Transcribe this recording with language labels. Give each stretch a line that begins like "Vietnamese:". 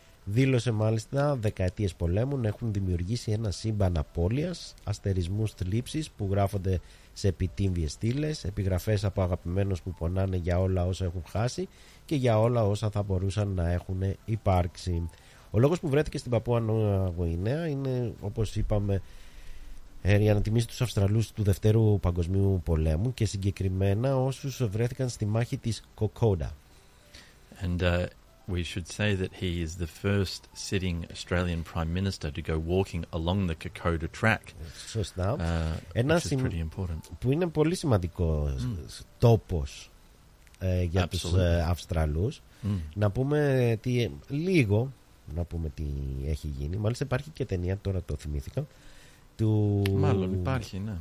Greek: Δήλωσε μάλιστα δεκαετίες πολέμων έχουν δημιουργήσει ένα σύμπαν απώλειας, αστερισμούς θλίψης που γράφονται σε επιτύμβιες στήλες, επιγραφές από αγαπημένους που πονάνε για όλα όσα έχουν χάσει και για όλα όσα θα μπορούσαν να έχουν υπάρξει. Ο λόγος που βρέθηκε στην Παππούα Νέα Γουινέα είναι, όπως είπαμε, για να τιμήσει τους Αυστραλούς του Δευτέρου Παγκοσμίου Πολέμου και συγκεκριμένα όσους βρέθηκαν στη μάχη της Κοκόντα.
English: And We should say that he is the first sitting Australian Prime Minister to go walking along the Kokoda track.
Greek: Σωστά.
English: Which is pretty important.
Greek: Που είναι πολύ σημαντικός τόπος για τους Αυστραλούς. Να πούμε τι, λίγο, να πούμε τι έχει γίνει. Μάλιστα υπάρχει και ταινία, τώρα το θυμήθηκα. Μάλλον υπάρχει, ναι.